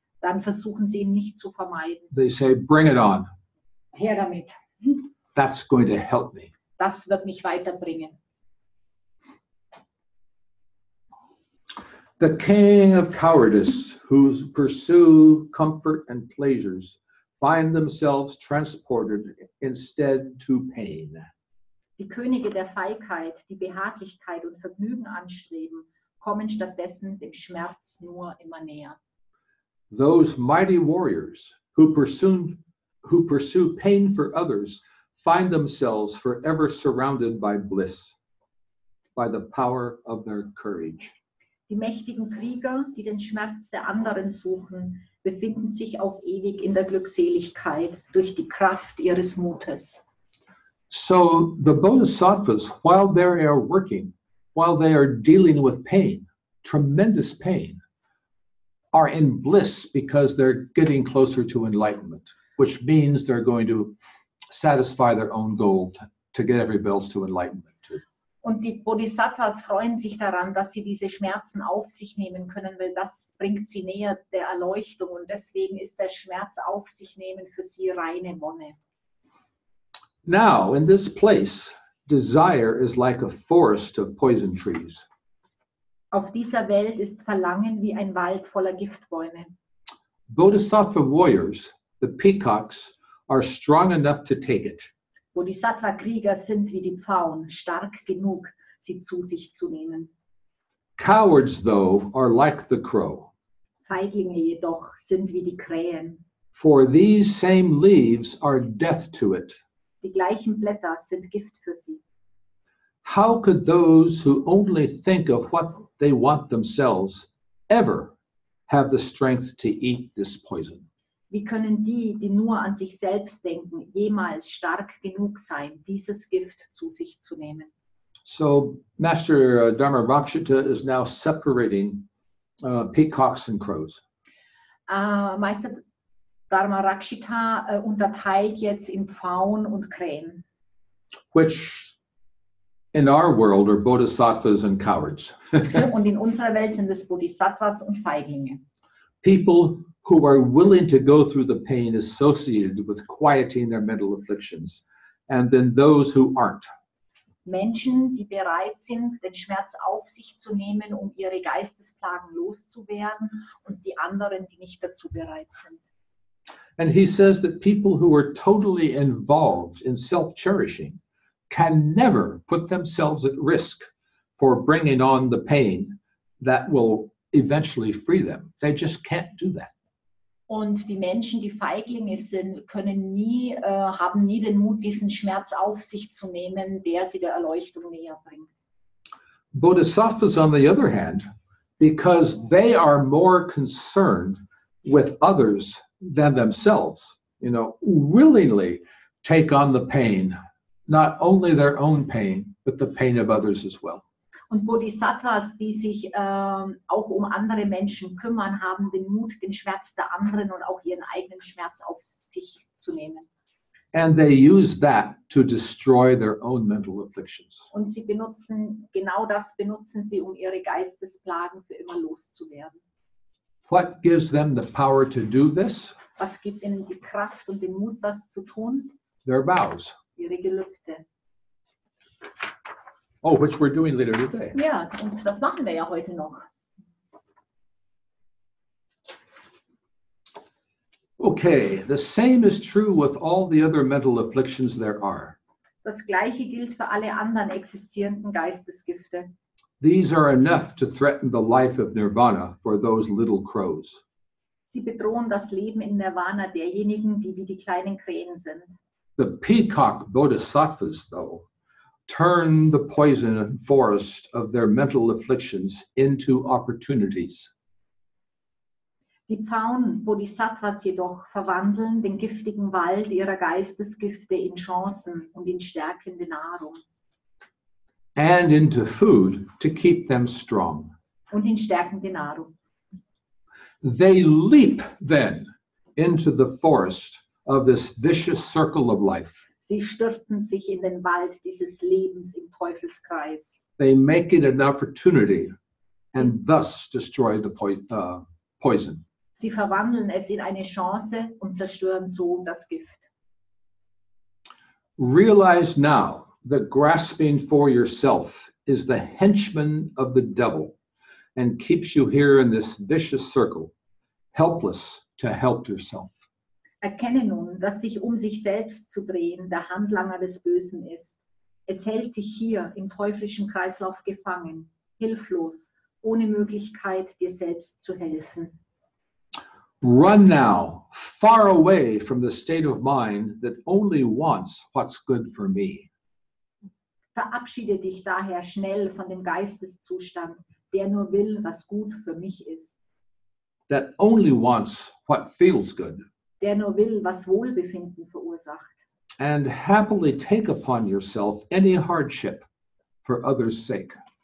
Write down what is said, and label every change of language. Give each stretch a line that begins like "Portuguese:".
German: Dann versuchen sie ihn nicht zu vermeiden.
English: They say, bring it on.
German: Her damit.
English: That's going to help me.
German: Das wird mich weiterbringen.
English: The king of cowardice, who pursue comfort and pleasures, find themselves transported instead to pain.
German: Die Könige der Feigheit, die Behaglichkeit und Vergnügen anstreben, kommen stattdessen dem Schmerz nur immer näher.
English: Those mighty warriors who pursue pain for others find themselves forever surrounded by bliss, by the power of their courage.
German: Die mächtigen Krieger, die den Schmerz der anderen suchen, befinden sich auf ewig in der Glückseligkeit durch die Kraft ihres Mutes.
English: So the Bodhisattvas, while they are working, while they are dealing with pain, tremendous pain, are in bliss because they're getting closer to enlightenment, which means they're going to satisfy their own goal to get everybody else to enlightenment too.
German: Und die Bodhisattvas freuen sich daran, dass sie diese Schmerzen auf sich nehmen können, weil das bringt sie näher der Erleuchtung. Und deswegen ist der Schmerz auf sich nehmen für sie reine Wonne.
English: Now, in this place, desire is like a forest of poison trees.
German: Auf dieser Welt ist Verlangen wie ein Wald voller Giftbäume.
English: Bodhisattva warriors, the peacocks, are strong enough to take it.
German: Bodhisattva-Krieger sind wie die Pfauen, stark genug, sie zu sich zu nehmen.
English: Cowards, though, are like the crow.
German: Feiglinge jedoch sind wie die Krähen.
English: For these same leaves are death to it.
German: Die gleichen Blätter sind Gift für sie.
English: How could those who only think of what they want themselves ever have the strength to eat this poison?
German: Wie können die nur an sich selbst denken, jemals stark genug sein, dieses Gift zu sich zu nehmen?
English: So Master Dharmavakshita is now separating peacocks and crows.
German: Meister Dharmarakshita unterteilt jetzt in Pfauen und Krähen.
English: Which in our world are Bodhisattvas and cowards.
German: Und in unserer Welt sind es Bodhisattvas und Feiglinge.
English: People who are willing to go through the pain associated with quieting their mental afflictions and then those who aren't.
German: Menschen, die bereit sind, den Schmerz auf sich zu nehmen, um ihre Geistesplagen loszuwerden, und die anderen, die nicht dazu bereit sind.
English: And he says that people who are totally involved in self-cherishing can never put themselves at risk for bringing on the pain that will eventually free them. They just can't do that.
German: Und die Menschen, die Feiglinge sind, können nie, haben nie den Mut, diesen Schmerz auf sich zu nehmen, der sie der Erleuchtung näher bringt.
English: Bodhisattvas, on the other hand, because they are more concerned with others than themselves, you know, willingly take on the pain, not only their own pain, but the pain of others as well.
German: Und Bodhisattvas, die sich auch um andere Menschen kümmern, haben den Mut, den Schmerz der anderen und auch ihren eigenen Schmerz auf sich zu nehmen.
English: And they use that to destroy their own mental afflictions.
German: Und sie benutzen, genau das benutzen sie, um ihre Geistesplagen für immer loszuwerden.
English: What gives them the power to do this?
German: Was gibt ihnen die Kraft und den Mut, das zu tun?
English: Their vows.
German: Ihre Gelübde.
English: Oh, which we're doing later today.
German: Ja, und das machen wir ja heute noch.
English: Okay, the same is true with all the other mental afflictions there are.
German: Das gleiche gilt für alle anderen existierenden Geistesgifte.
English: These are enough to threaten the life of Nirvana for those little crows.
German: Sie bedrohen das Leben in Nirvana derjenigen, die wie die kleinen Krähen sind.
English: The peacock bodhisattvas, though, turn the poison forest of their mental afflictions into opportunities.
German: Die Pfauen, Bodhisattvas jedoch, verwandeln den giftigen Wald ihrer Geistesgifte in Chancen und in stärkende Nahrung.
English: And into food to keep them strong.
German: Und in stärkende Nahrung.
English: They leap then into the forest of this vicious circle of life.
German: Sie stürzen sich in den Wald dieses Lebens im Teufelskreis.
English: They make it an opportunity and thus destroy the poison.
German: Sie verwandeln es in eine Chance und zerstören so das Gift.
English: Realize now that grasping for yourself is the henchman of the devil and keeps you here in this vicious circle, helpless to help yourself.
German: Erkenne nun, dass sich um sich selbst zu drehen der Handlanger des Bösen ist. Es hält dich hier im teuflischen Kreislauf gefangen, hilflos, ohne Möglichkeit, dir selbst zu helfen.
English: Run now, far away from the state of mind that only wants what's good for me.
German: Verabschiede dich daher schnell von dem Geisteszustand, der nur will, was gut für mich ist.
English: That only wants what feels good.
German: Der nur will, was Wohlbefinden verursacht.
English: And happily take upon yourself any hardship for others' sake.